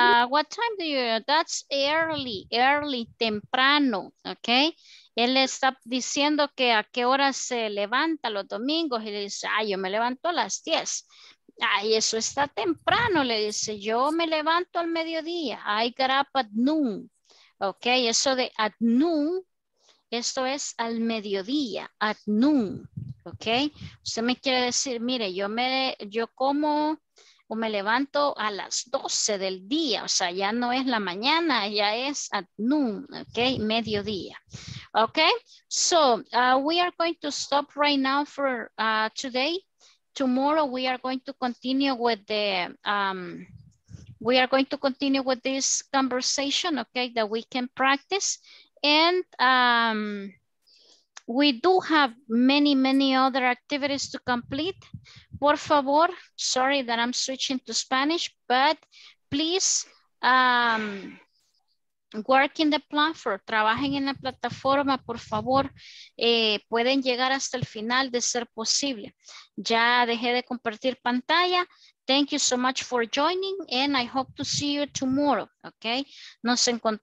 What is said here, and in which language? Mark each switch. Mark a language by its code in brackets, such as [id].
[en] What time do you, that's early, early, temprano, ok. [es] Él le está diciendo que a qué hora se levanta los domingos y le dice, ay, yo me levanto a las 10. Ay, eso está temprano, le dice, yo me levanto al mediodía. [en] I got up at noon, ok. [es] Eso de [en] at noon, [es] esto es al mediodía, [en] at noon. ¿Ok? [es] Usted me quiere decir, mire, yo como o me levanto a las 12 del día, o sea, ya no es la mañana, ya es [en] at noon, [es] ¿ok? Mediodía. [en] ¿Ok? So, we are going to stop right now for today. Tomorrow we are going to continue with the, we are going to continue with this conversation, ¿ok? That we can practice. And, we do have many, many other activities to complete. [es] Por favor, [en] sorry that I'm switching to Spanish, but please work in the platform. [es] Trabajen en la plataforma, por favor. Pueden llegar hasta el final de ser posible. Ya dejé de compartir pantalla. [en] Thank you so much for joining, and I hope to see you tomorrow. Okay, [es] nos encontramos.